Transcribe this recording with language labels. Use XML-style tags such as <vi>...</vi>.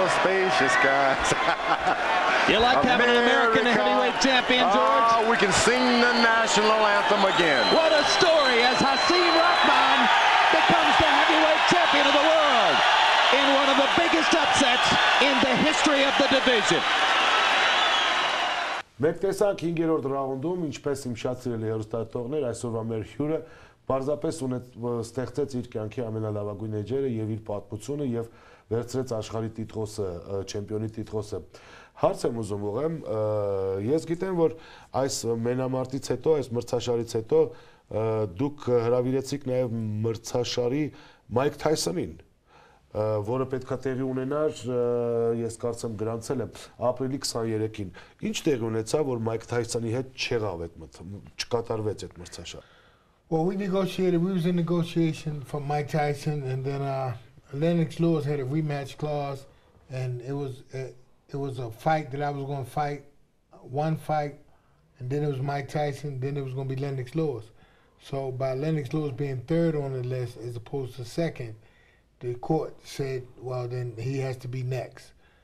<en>You like having America. An American heavyweight champion, George? Oh, we can sing the national anthem again. What a story as Hasim Rahman becomes the heavyweight champion of the world in one of the biggest upsets in the history of the division.</en> <hy>Մենք տեսանք 5-րդ ռաունդում, ինչպես իմ շատ սիրելի հեռուստատողներ, այսօրվա մեր հյուրը պարզապես ստեղծեց իր կյանքի ամենալավագույն էջերը եւ իր պատմությունը եւ վերցրեց աշխարհի տիտղոսը, չեմպիոնի տիտղոսը։ Հարց եմ ուզում ուղեմ, ես գիտեմ, որ այս մենամարտից հետո, այս մրցաշարից հետո դուք հրավիրեցիք նաև մրցաշարի Մայք Թայսոնին, որը պետք է տեղի ունենար, ես կարծեմ գրանցել եմ, ապրիլի 23-ին։ Ինչ տեղ ունեցա, որ Մայք Թայսոնի հետ չեղավ այդ մրցաշարը, չկատարվեց այդ մրցաշարը։</hy> <en>Well, we were in negotiation for Mike Tyson, and then Lennox Lewis had a rematch clause, and it was a fight that I was going to fight, one fight, and then it was Mike Tyson, then it was going to be Lennox Lewis. So by Lennox Lewis being third on the list as opposed to second, the court said, well, then he has to be next.</en>